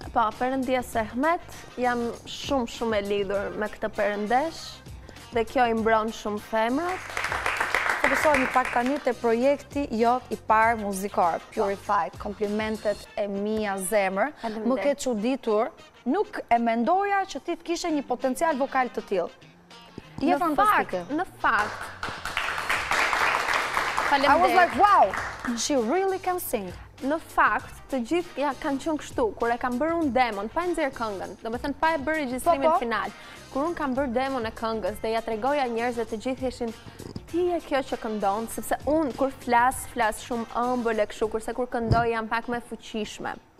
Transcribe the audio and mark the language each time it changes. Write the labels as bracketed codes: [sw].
[sq] Po, Perëndia Sehmet, jam shumë e lidhur me këtë perëndesh dhe kjo i mbron shumë femrat. Të përsojmë pak tani të projekti jot i parë muzikor, Purified, komplimentet e mia zemër. Më ke çuditur, nuk e mendoja që ti të kishe një potencial vokal të tillë. Je fantastike. Në fakt, [en] I was like, wow, she really can sing. [sq] Në fakt, të gjithë ja, kanë qënë kështu, kur e kam bërë unë demon, pa e nxjerë këngën, do me thënë pa e bërë regjistrimin final, kur unë kam bërë demon e këngës dhe ja tregoja njerëzve të gjithë ishin, ti e kjo që këndon, sepse unë kur flas shumë ëmbël e kështu, kurse kur këndoj jam pak më fuqishme.